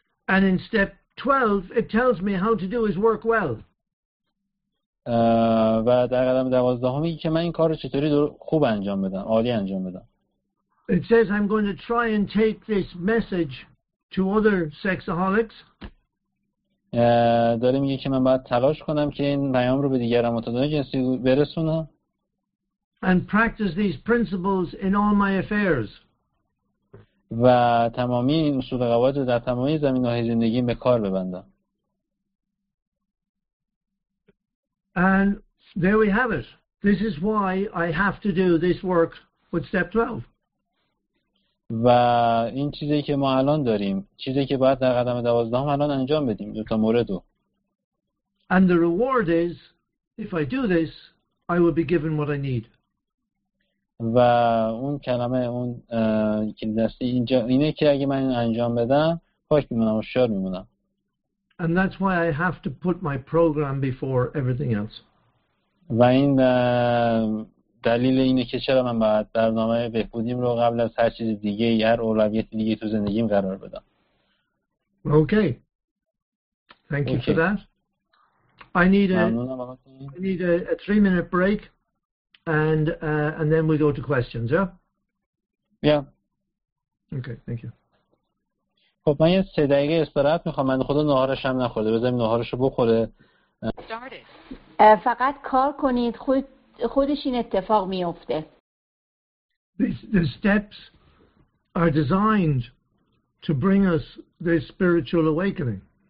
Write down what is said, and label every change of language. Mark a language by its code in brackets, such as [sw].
[en] And in step 12 it tells me how to do his work well. [fa] و در قدم دوازدهم میگه که من این کار رو چطوری خوب انجام بدم، عالی انجام بدم. [en] It says I'm going to try and take this message to other sexaholics. [fa] داره میگه که من باید تلاش کنم که این پیام رو به دیگر متدانه جنسی برسونم. [en] And practice these principles in all my affairs. [fa] و تمامی این اصول قواعد رو در تمامی زمینه های زندگیم به کار ببندم. [en] And there we have it. This is why I have to do this work with step 12. [fa] و این چیزی که ما الان داریم، چیزی که باید در قدم 12 الان انجام بدیم، دو تا موردو. [en] And the reward is if I do this, I will be given what I need. [fa] و اون کلمه اون که دست اینجا اینه که اگه من انجام بدم، خوش میمونم و شاد میمونم. [en] And that's why I have to put my program before everything else. [fa] و این دلیل اینه که چرا من باید برنامه بهبودیم رو قبل از هر چیز دیگه یا اولویت دیگه تو زندگیم قرار بدم. [en] Okay. Thank you for that. I need a 3-minute break and then we go to questions, yeah? Yeah. Okay, thank you. [fa] خب من یه 3 دقیقه استراحت میخوام. من خود نهارش هم نخورده، بذاریم نهارش رو بخوره. فقط کار کنید خودش این اتفاق میفته. [en] The steps are designed to bring us this spiritual awakening.